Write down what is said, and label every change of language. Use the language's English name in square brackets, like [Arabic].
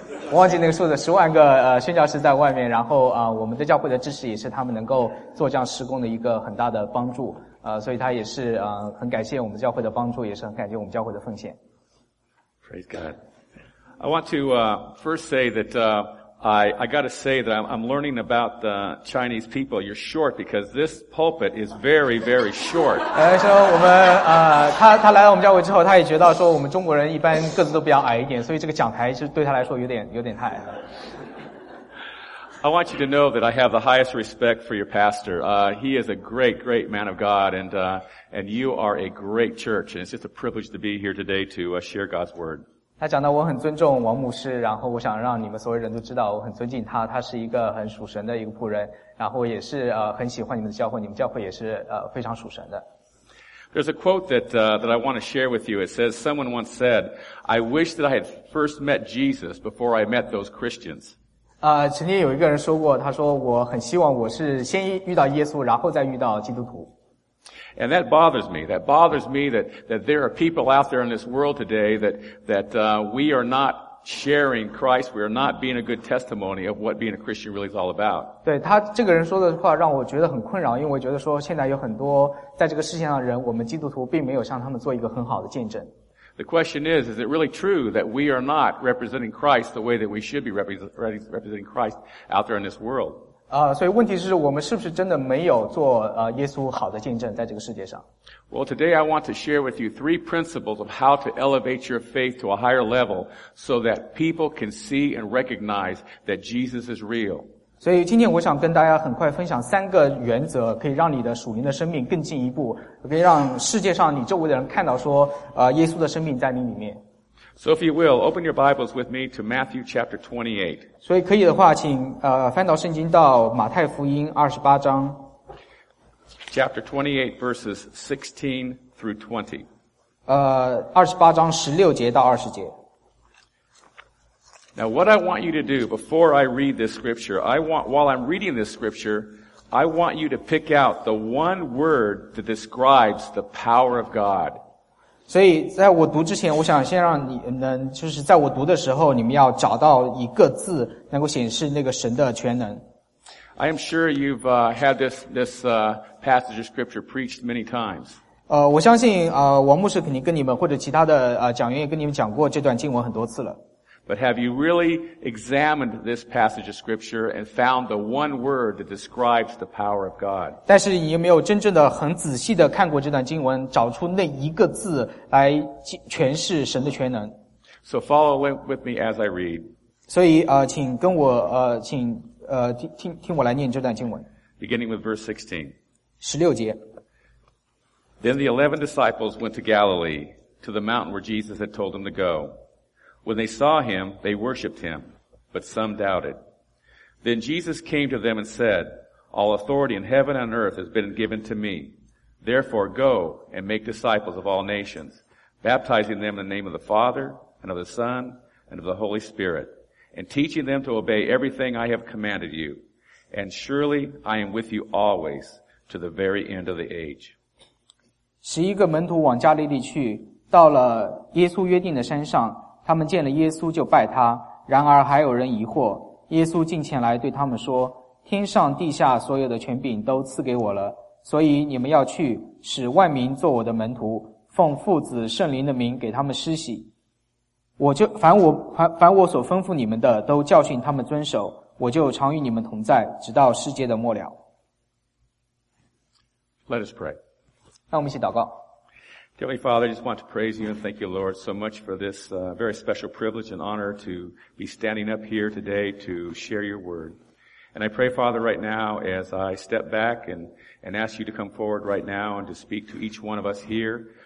[Chinese] 我忘记那个数字，十万个宣教士在外面，然后我们的教会的支持也是他们能够做这样施工的一个很大的帮助，所以他也是很感谢我们教会的帮助，也是很感谢我们教会的奉献。 [English] Praise God. I want to first say that I got to say that I'm learning about the Chinese people. You're short because this pulpit is very, very short. [Chinese] 说我们他来到我们教会之后，他也觉得说我们中国人一般个子都比较矮一点，所以这个讲台就对他来说有点太矮了。 [English] I want you to know that I have the highest respect for your pastor. He is a great, great man of God, and you are a great church. And it's just a privilege to be here today to share God's word. [Chinese] 他讲到我很尊重王牧师，然后我想让你们所有人都知道，我很尊敬他。他是一个很属神的一个仆人，然后也是很喜欢你们的教会，你们教会也是非常属神的。 [English] There's a quote that I want to share with you. It says, "Someone once said, 'I wish that I had first met Jesus before I met those Christians.'" [Chinese] 曾经有一个人说过，他说我很希望我是先遇到耶稣，然后再遇到基督徒。 [English] And that bothers me. That bothers me that there are people out there in this world today that we are not sharing Christ. We are not being a good testimony of what being a Christian really is all about. [Chinese] 对，他这个人说的话让我觉得很困扰，因为我觉得说现在有很多在这个世界上的人，我们基督徒并没有向他们做一个很好的见证。 [English] The question is it really true that we are not representing Christ the way that we should be representing Christ out there in this world? [Chinese] 所以问题是我们是不是真的没有做耶稣好的见证在这个世界上。 [English] Well, today I want to share with you three principles of how to elevate your faith to a higher level so that people can see and recognize that Jesus is real. [Chinese] 所以今天我想跟大家很快分享三个原则，可以让你的属灵的生命更进一步，可以让世界上你周围的人看到说耶稣的生命在你里面。 [English] So if you will, open your Bibles with me to Matthew chapter 28. [Chinese] 所以可以的话请翻到圣经到马太福音28章。 [English] Chapter 28 verses 16 through 20. [Chinese] 28章16节到20节。 [English] Now what I want you to do before I read this scripture, while I'm reading this scripture, I want you to pick out the one word that describes the power of God. [Chinese] 所以在我读之前，我想先让你们，就是在我读的时候，你们要找到一个字能够显示那个神的全能。 [English] I am sure you've had this passage of scripture preached many times. [Chinese] 我相信王牧师肯定跟你们或者其他的讲员也跟你们讲过这段经文很多次了。 [English] But have you really examined this passage of scripture and found the one word that describes the power of God? [Chinese] 但是你有没有真正的很仔细的看过这段经文，找出那一个字来诠释神的全能？ [English] So follow with me as I read. [Chinese] 所以请跟我请听我来念这段经文。 [English] Beginning with verse 16. [Chinese] 16节。 [English] Then the 11 disciples went to Galilee, to the mountain where Jesus had told them to go. When they saw him, they worshipped him, but some doubted. Then Jesus came to them and said, All authority in heaven and earth has been given to me. Therefore go and make disciples of all nations, baptizing them in the name of the Father, and of the Son, and of the Holy Spirit, and teaching them to obey everything I have commanded you. And surely I am with you always, to the very end of the age. [Chinese] 十一个门徒往加利利去，到了耶稣约定的山上。他们见了耶稣就拜他，然而还有人疑惑。耶稣近前来对他们说，天上地下所有的权柄都赐给我了，所以你们要去，使万民做我的门徒，奉父子圣灵的名给他们施洗。凡我所吩咐你们的都教训他们遵守，我就常与你们同在，直到世界的末了。 [English] Let us pray. [Chinese] 让我们一起祷告。 [English] Heavenly Father, I just want to praise you and thank you, Lord, so much for this very special privilege and honor to be standing up here today to share your word. And I pray, Father, right now as I step back and ask you to come forward right now and to speak to each one of us here.